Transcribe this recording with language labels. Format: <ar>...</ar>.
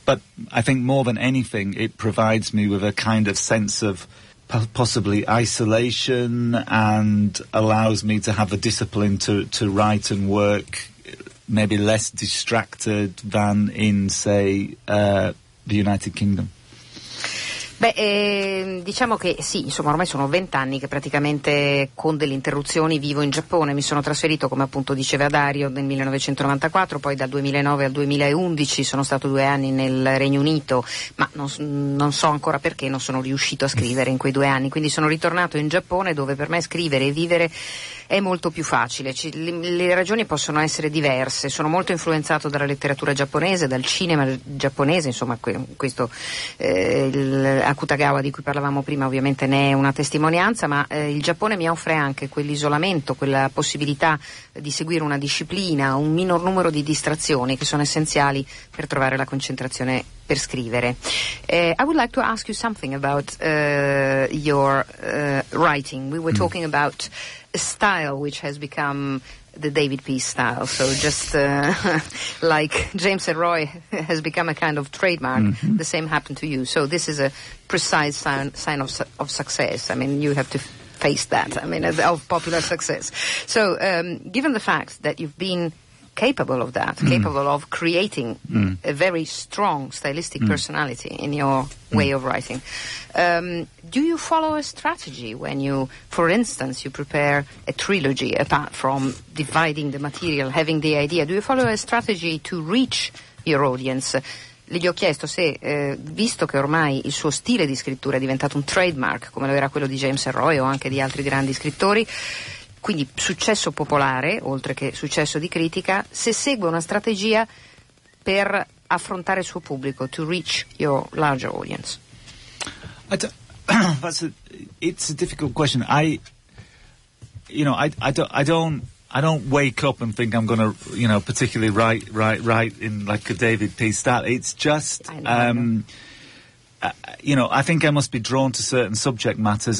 <en>But I think more than anything, it provides me with a kind of sense of possibly isolation, and allows me to have the discipline to write and work, maybe less distracted than in, say, the United Kingdom.</en> <it>Beh, diciamo che sì, insomma, ormai sono 20 anni che praticamente con delle interruzioni vivo in Giappone. Mi sono trasferito, come appunto diceva Dario, nel 1994, poi dal 2009 al 2011 sono stato 2 anni nel Regno Unito, ma non so ancora perché non sono riuscito a scrivere in quei 2 anni, quindi sono ritornato in Giappone, dove per me scrivere e vivere è molto più facile. Le ragioni possono essere diverse. Sono molto influenzato dalla letteratura giapponese, dal cinema giapponese, insomma, questo Akutagawa di cui parlavamo prima ovviamente ne è una testimonianza, ma il Giappone mi offre anche quell'isolamento, quella possibilità di seguire una disciplina, un minor numero di distrazioni che sono essenziali per trovare la concentrazione per scrivere.</it> <en>I would like to ask you something about your writing. We were talking about a style which has become the David Peace style, so just like James and Roy has become a kind of trademark, the same happened to you. So this is a precise sign of success. I mean, you have to face that, I mean, of popular success. So given the fact that you've been capable of that, capable of creating a very strong stylistic personality in your way of writing, do you follow a strategy when you, for instance, you prepare a trilogy, apart from dividing the material, having the idea, do you follow a strategy to reach your audience?</en> <it>Gli ho chiesto se, visto che ormai il suo stile di scrittura è diventato un trademark, come lo era quello di James Elroy o anche di altri grandi scrittori, quindi successo popolare, oltre che successo di critica, se segue una strategia per affrontare il suo pubblico,</it> <en>to reach your larger audience. It's a difficult question. I don't wake up and think I'm going to, you know, particularly write in like a David Peace style. It's just, you know, I think I must be drawn to certain subject matters.</en>